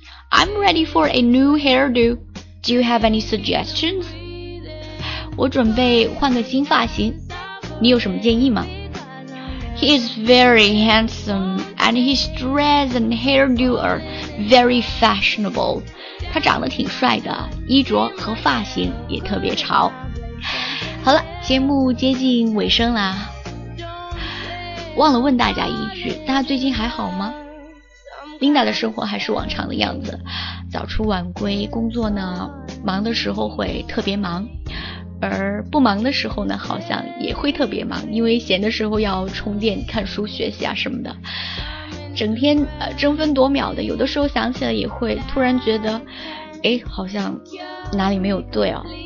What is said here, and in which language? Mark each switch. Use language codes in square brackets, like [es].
[en] I'm ready for a new hairdo. Do you have any suggestions? [zh] 我准备换个新发型，你有什么建议吗？ [en] He is very handsome and his dress and hairdo are very fashionable. [zh] 他长得挺帅的，衣着和发型也特别潮。好了，节目接近尾声啦。忘了问大家一句，大家最近还好吗？ Linda 的生活还是往常的样子，早出晚归，工作呢，忙的时候会特别忙，而不忙的时候呢，好像也会特别忙，因为闲的时候要充电、看书、学习啊什么的，整天争分夺秒的，有的时候想起来也会突然觉得，哎，好像哪里没有对哦。